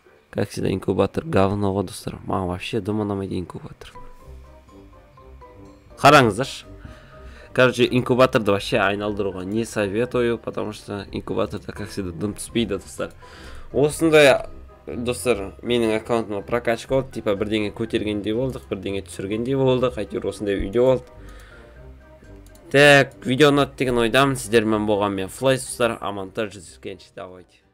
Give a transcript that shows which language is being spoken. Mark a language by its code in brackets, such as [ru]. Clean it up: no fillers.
[ru] Как всегда, инкубатор говно, достар. [kk] Маған вообще дым ұнамайды инкубатор. Қараңыздаршы. [ru] Короче, [kk] инкубаторды [ru] вообще [kk] айналдыруға [ru] не советую, потому что [kk] инкубаторда, [ru] как всегда, [kk] дым түспейді, достар. Осындай, достар, менің аккаунтыма прокачка болды. Типа, бірдеңе көтергендей болдық, бірдеңе түсіргендей болдық. Әйтеуір осындай видео болды. Так, видео ұнады деген ойдамын. Сіздермен болған мен Флай, достар. Амантар жүзіскенше, [ru] давайте.